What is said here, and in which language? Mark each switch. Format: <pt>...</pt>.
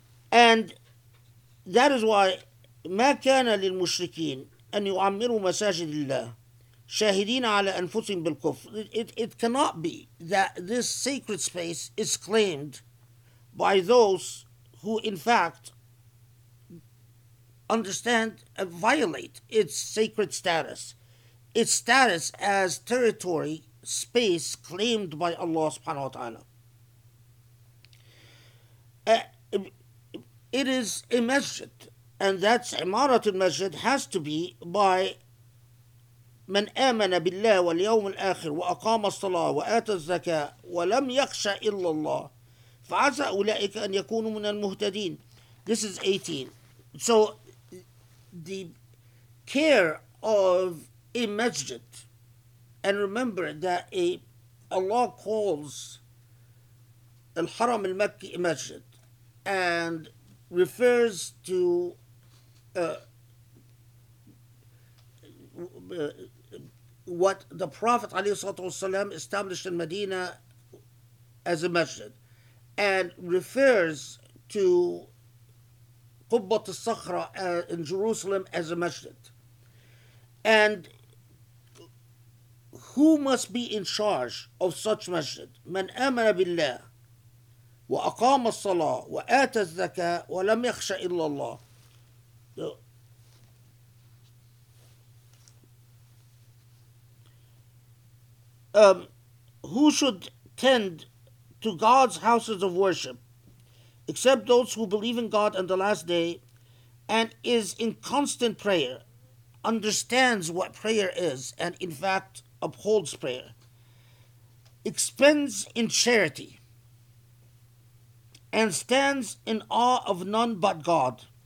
<en>And that is why</en> <ar>ما كان للمشركين أن يعمروا مساجد الله شاهدين على أنفسهم بالكفر.</ar> <en>It cannot be that this sacred space is claimed by those who in fact understand and violate its sacred status, its status as territory, space claimed by Allah subhanahu wa ta'ala. It is a masjid, and that's Imarat al-Masjid has to be by</en> <ar>من آمن بالله واليوم الآخر وأقام الصلاة وآت الزكاة ولم يخشى إلا الله فعسى أولئك أن يكونوا من المهتدين.</ar> <en>This is 18. So the care of a masjid, and remember that Allah calls Al-Haram al-Makki a masjid, and refers to what the Prophet ﷺ established in Medina as a masjid, and refers to Qubbat al-Sakhra in Jerusalem as a masjid. And who must be in charge of such masjid?</en> <ar>من آمن بالله وأقام الصلاة وآت الزكاة ولم يخشى إلا الله.</ar> <en>Who should tend to God's houses of worship except those who believe in God and the last day and is in constant prayer, understands what prayer is, and in fact upholds prayer, expends in charity, and stands in awe of none but God.</en>